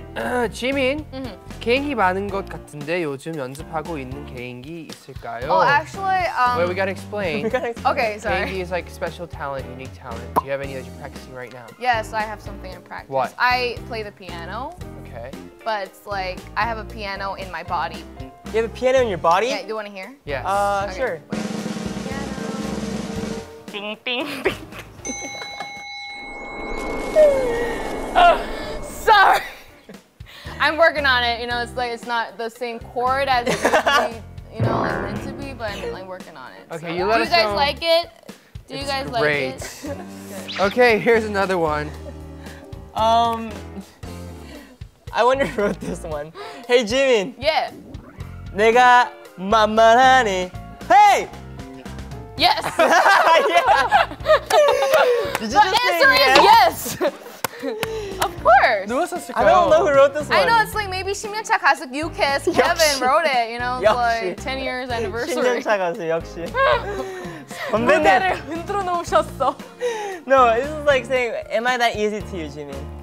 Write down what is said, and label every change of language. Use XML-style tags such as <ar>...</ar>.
<ko>Jimin, 개인기 많은 것 같은데 요즘 연습하고 있는 개인기 있을까요?</ko> <en>Oh, actually, Well, we gotta explain. Okay, sorry. Geinggi is like special talent, unique talent. Do you have any that you're practicing right now? Yes, I have something in practice. What? I play the piano. Okay. But it's like, I have a piano in my body. You have a piano in your body? Yeah, you want to hear? Yes. Okay. Sure. Piano. Bing, bing, bing. Sorry. I'm working on it. You know, it's like, it's not the same chord as it used to be, you know, meant to be, but I'm like working on it. Okay, so, you let us know. Do you guys like it? Do you guys great. Like it? Great. Okay, here's another one. I wonder who wrote this one. Hey, Jimin. Yeah.</en> <ko>내가 만만하니 헤이!</ko> <en>Yes. Did you just say yes? Of course. I don't know who wrote this one. I know, it's like maybe</en> <ko>10년차 가수</ko> <en>You Kiss. Kevin wrote it, you know, it's like 10 years anniversary.</en> <ko>10년차 가수 역시. 무대를 흔들어 놓으셨어.</ko> <en>No, this is like saying, am I that easy to you, Jimin?</en>